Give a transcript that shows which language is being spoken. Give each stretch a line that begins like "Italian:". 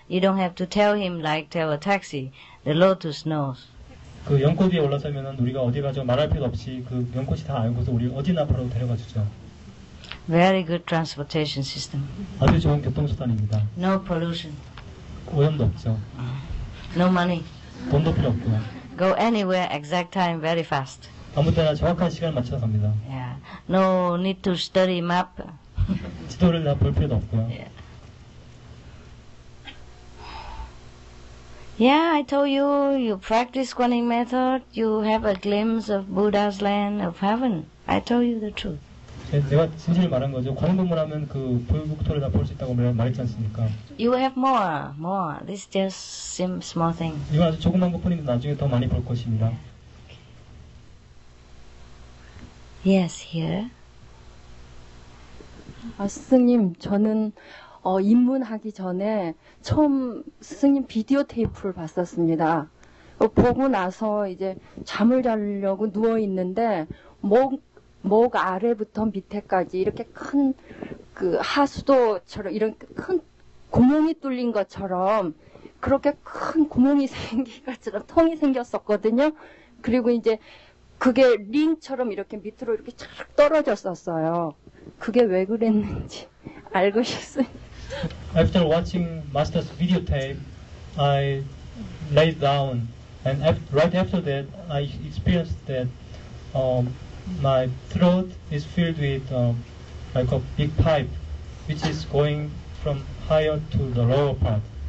English: You don't have to tell him like tell a taxi. The lotus knows.
Korean: 그 연꽃이 올라서면은 우리가 어디 가죠? 말할 필요 없이 그 연꽃이 다 알고서 우리 어디나 바로 데려가 주죠.
English: Very good transportation system.
Korean: 아주 좋은 교통수단입니다.
English: No pollution.
Korean: 오염도 없죠.
English: No money.
Korean: 돈도 필요 없고요.
English: Go anywhere exact time very fast.
Korean: 아무 때나 정확한 시간 맞춰 갑니다.
English: Yeah. No need to study map.
Korean: 지도를 다 볼 필요도 없고요.
English: Yeah, I told you, you practice Guanyin method, you have a glimpse of Buddha's land of heaven. I told you the truth.
Korean: 제가 진실을 말한 거죠. 관음 공부를 하면 그 불국토를 다 볼 수 있다고 말했지 않습니까?
English: You have more. This is just some small thing.
Korean: 이건 아주 조그만 것뿐인데 나중에 더 많이 볼 것입니다.
English: Okay. Yes, here.
Korean: 아, 스승님, 저는 입문하기 전에 처음 스승님 비디오 테이프를 봤었습니다. 보고 나서 이제 잠을 자려고 누워 있는데 목 아래부터 밑에까지 이렇게 큰 그 하수도처럼 이런 큰 구멍이 뚫린 것처럼 그렇게 큰 구멍이 생긴 것처럼 통이 생겼었거든요. 그리고 이제 그게 링처럼 이렇게 밑으로 이렇게 쫙 떨어졌었어요. 그게 왜 그랬는지 알고 싶습니다.
English: After watching Master's videotape, I lay down, and right after that, I experienced that my throat is filled with like a big pipe, which is going from higher to the lower part.